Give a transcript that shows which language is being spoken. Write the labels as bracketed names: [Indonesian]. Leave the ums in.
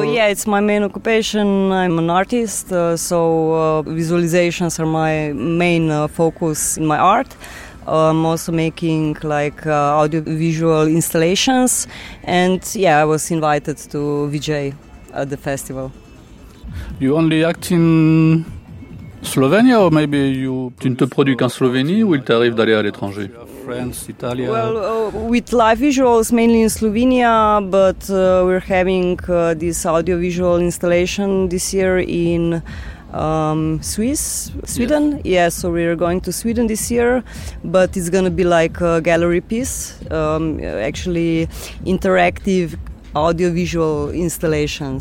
[English] uh, yeah, it's my main occupation. I'm an artist, so visualizations are my main focus in my art. I'm um, also making like uh, audiovisual installations. And yeah, I was invited to VJ at the festival. You only act in Slovenia, or maybe you produce in so Slovenia. [French] te produis qu'en Slovénie, ou il t'arrive d'aller à l'étranger? [English] France, uh, well, uh, with live visuals mainly in Slovenia, but uh, we're having uh, this audiovisual installation this year in. Um, Swiss, Sweden. Yes. Yeah, so we are going to Sweden this year, but it's going to be like a gallery piece, um, actually interactive audiovisual installation.